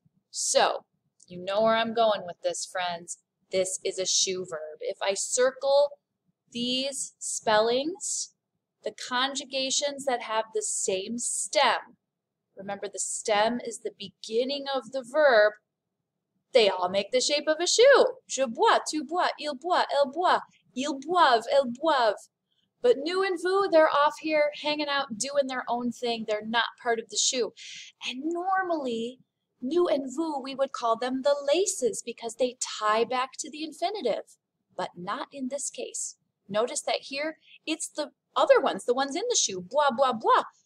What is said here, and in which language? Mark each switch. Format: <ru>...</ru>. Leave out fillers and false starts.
<en>So, you know where I'm going with this, friends. This is a shoe verb. If I circle these spellings, the conjugations that have the same stem, remember the stem is the beginning of the verb, they all make the shape of a shoe.</en> <fr>Je bois, tu bois, il boit, elle boit, il boive, elle boive.</fr> <en>But nous and vous, they're off here hanging out, doing their own thing. They're not part of the shoe. And normally, nous and vous, we would call them the laces because they tie back to the infinitive, but not in this case. Notice that here, it's the other ones, the ones in the shoe, bois, bois, bois.</en>